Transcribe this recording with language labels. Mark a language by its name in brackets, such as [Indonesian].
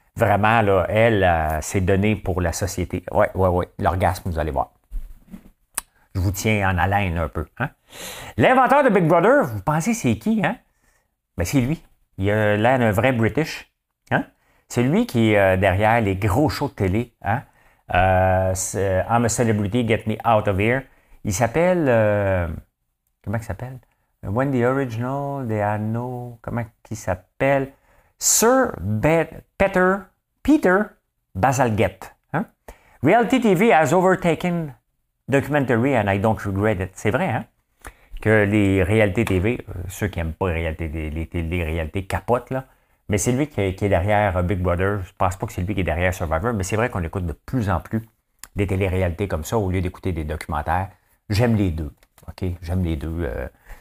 [French] Vraiment, là, elle s'est donnée pour la société. Oui, oui, oui. L'orgasme, vous allez voir. Je vous tiens en haleine un peu. Hein? L'inventeur de Big Brother, vous pensez c'est qui? Hein? Ben, c'est lui. Il a l'air d'un vrai British. Hein? C'est lui qui est derrière les gros shows de télé. Hein? [English] I'm a celebrity, get me out of here. [French] Il s'appelle... comment il s'appelle? [English] When the original, they are no... [French] Comment il s'appelle? Sir Peter Bazalgette. Hein? [English] Reality TV has overtaken documentary and I don't regret it. [French] C'est vrai, hein? Que les réalités TV, ceux qui n'aiment pas les réalités capotent, là. Mais c'est lui qui est derrière Big Brother. Je ne pense pas que c'est lui qui est derrière Survivor, mais c'est vrai qu'on écoute de plus en plus des téléréalités comme ça au lieu d'écouter des documentaires. J'aime les deux. OK? J'aime les deux.